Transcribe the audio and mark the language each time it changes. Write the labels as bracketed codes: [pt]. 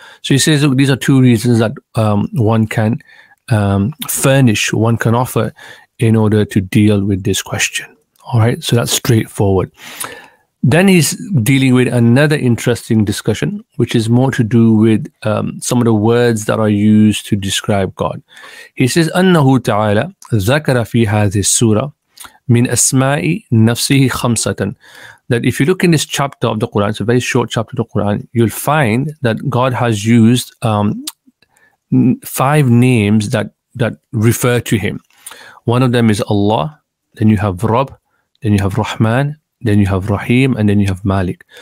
[en] So he says these are two reasons that one can furnish, one can offer in order to deal with this question. All right, so that's straightforward. Then he's dealing with another interesting discussion, which is more to do with some of the words that are used to describe God. He says, [ar] أَنَّهُ تَعَالَى ذَكَرَ فِي هَذِهِ السُّورَةِ مِنْ أَسْمَاءِ نَفْسِهِ خَمْسَةً. [en] That if you look in this chapter of the Quran, it's a very short chapter of the Quran, you'll find that God has used five names that refer to him. One of them is Allah, then you have Rabb, then you have Rahman, then you have Rahim, and then you have Malik.